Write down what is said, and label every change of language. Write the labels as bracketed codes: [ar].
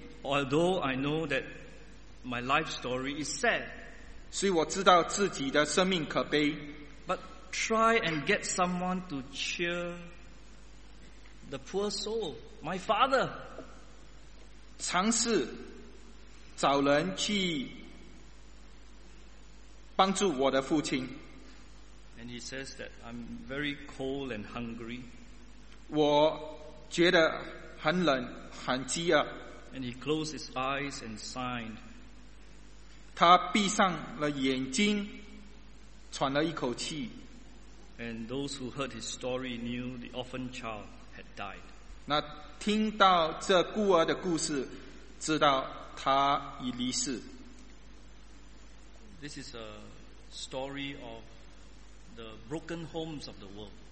[en] Although I know that my life story is sad. [zh] 所以我知道自己的生命可悲。 [en] But try and get someone to cheer the poor soul, my father. [zh] 尝试找人去 帮助我的父亲, [en] and he says that I'm very cold and hungry. [zh] 我觉得很冷很饥饿, [en] and he closed his eyes and signed. [zh] 他闭上了眼睛, 喘了一口气, [en] and those who heard his story knew the orphan child had died. [zh] 那听到这孤儿的故事, 知道他已离世。 [en] This is a story of the broken homes of the world.